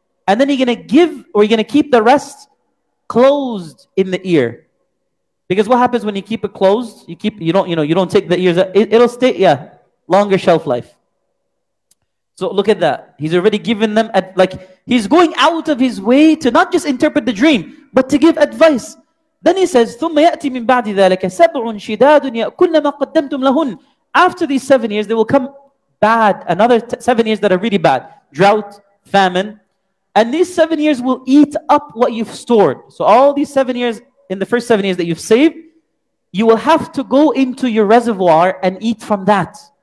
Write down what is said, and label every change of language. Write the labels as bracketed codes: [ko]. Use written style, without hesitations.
[en] And then you're going to give, or you're going to keep the rest closed in the ear. Because what happens when you keep it closed? You don't take the ears. It'll stay, yeah, longer shelf life. So look at that. He's already given them, he's going out of his way to not just interpret the dream, but to give advice. Then he says, [ar] ثُمَّ يَأْتِي مِن بَعْدِ ذَلَكَ سَبْعٌ شِدَادٌ يَأْكُلْنَ مَا قَدَّمْتُمْ لَهُنْ. [en] After these 7 years, they will come bad. Another 7 years that are really bad. Drought, famine. And these 7 years will eat up what you've stored. So all these 7 years, in the first 7 years that you've saved, you will have to go into your reservoir and eat from that.